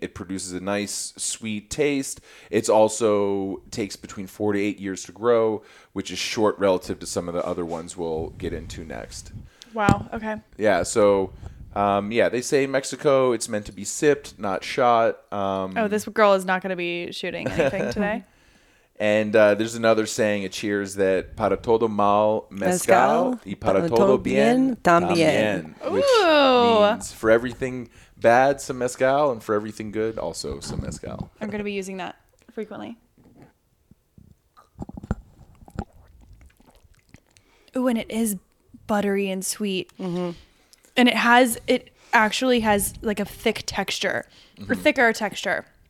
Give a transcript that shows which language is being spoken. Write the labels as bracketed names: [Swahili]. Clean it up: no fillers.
[English] It produces a nice, sweet taste. It's also takes between 4 to 8 years to grow, which is short relative to some of the other ones we'll get into next. Wow. Okay. Yeah. So, they say Mexico, it's meant to be sipped, not shot. This girl is not going to be shooting anything today. And there's another saying, a cheers, that [Spanish] para todo mal, mezcal, y para todo bien, también. [English] Which means for everything bad, some mezcal, and for everything good, also some mezcal. I'm going to be using that frequently. Ooh, and it is buttery and sweet. Mm-hmm. And it actually has like a thick texture, mm-hmm, or thicker texture.